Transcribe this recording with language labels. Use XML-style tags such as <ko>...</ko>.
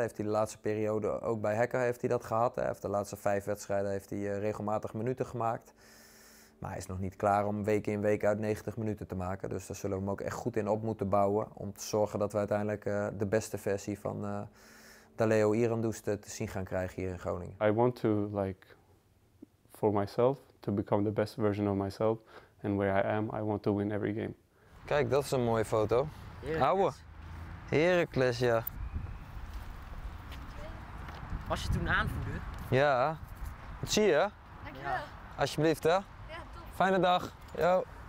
<nl>Heeft hij de laatste periode ook bij Hekken heeft hij dat gehad. Hè. De laatste 5 wedstrijden heeft hij regelmatig minuten gemaakt. Maar hij is nog niet klaar om week in week uit 90 minuten te maken. Dus daar zullen we hem ook echt goed in op moeten bouwen. Om te zorgen dat we uiteindelijk de beste versie van Daleo Irandust te zien gaan krijgen hier in Groningen.</nl> <en>I want to, like, for myself, to become the best version of myself. And where I am, I want to win every game.</en> <nl>Kijk, dat is een mooie foto. Ouwe. Heracles, ja. Was je toen aanvoerder? Ja. Dat zie je. Dankjewel. Ja. Alsjeblieft, hè. Ja, top. Fijne dag. Yo.</nl>